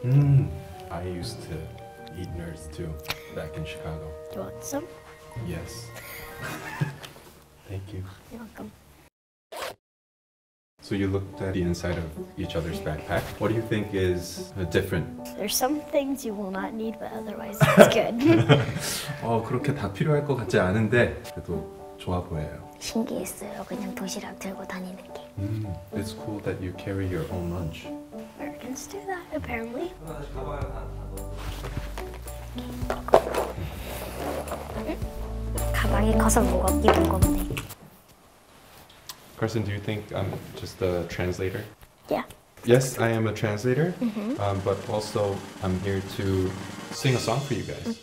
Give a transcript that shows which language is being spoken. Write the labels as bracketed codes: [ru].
[en] Mmm. I used to eat Nerds too, back in Chicago. Do you want some? Yes. Thank you. You're welcome. So you looked at the inside of each other's backpack. What do you think is different? There's some things you will not need, but otherwise it's good. [ko] 어 그렇게 다 필요할 것 같지 않은데 그래도 좋아 보여요. 신기했어요. 그냥 도시락 들고 다니는 게. [en] It's cool that you carry your own lunch. Americans do that apparently. [ko] 가방이 커서 무겁기 무겁네. [en] Carson, do you think I'm just a translator? Yeah. Yes, I am a translator, mm-hmm. But also I'm here to sing a song for you guys.